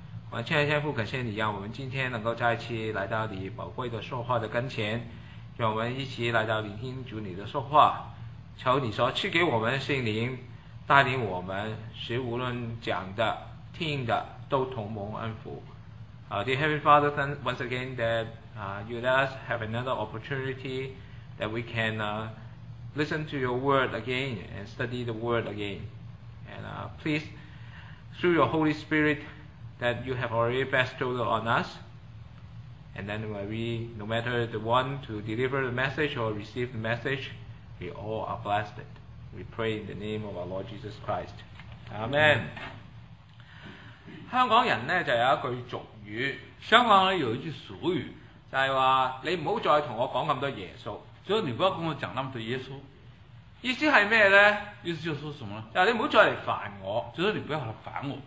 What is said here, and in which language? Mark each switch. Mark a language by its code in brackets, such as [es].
[zh] 我亲爱天父，感谢你让我们今天能够再次来到你宝贵的说话的跟前。让我们一起来到聆听主你的说话，求你所赐给我们的圣灵带领我们，使无论讲的听的都同蒙恩福。 [en] Dear Heavenly Father, thank once again that you let us have another opportunity that we can listen to your word again and study the word again. And please, through your Holy Spirit that you have already bestowed on us,And then when we, no matter the one to deliver the message or receive the message, we all are blessed. We pray in the name of our Lord Jesus Christ. Amen. [zh] 香港人呢就有一句俗语，香港人有一句俗语，就是说你不要再跟我讲那么多耶稣，所以你不要跟我讲那么多耶稣。意思是什么呢？意思就是说什么呢？就是你不要再来烦我，就是你不要来烦我，